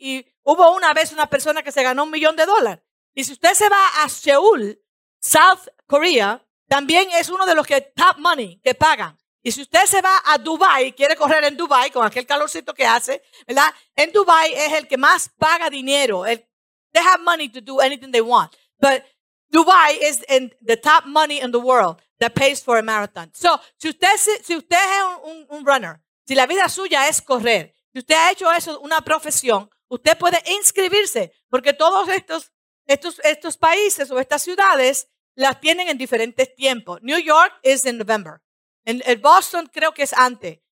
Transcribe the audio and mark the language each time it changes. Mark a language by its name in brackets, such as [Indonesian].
[Spanish] Y hubo una vez una persona que se ganó $1,000,000. Y si usted se va a Seúl, South Korea, también es uno de los que top money que pagan. Y si usted se va a Dubái, quiere correr en Dubái con aquel calorcito que hace, ¿verdad? En Dubái es el que más paga dinero. [English] They have money to do anything they want. But Dubai is in the top money in the world that pays for a marathon. [Spanish] So, si usted es un runner, si la vida suya es correr, si usted ha hecho eso una profesión, usted puede inscribirse porque todos estos países o estas ciudades las tienen en diferentes tiempos. [English] New York is in November. [Spanish] En Boston creo que es antes.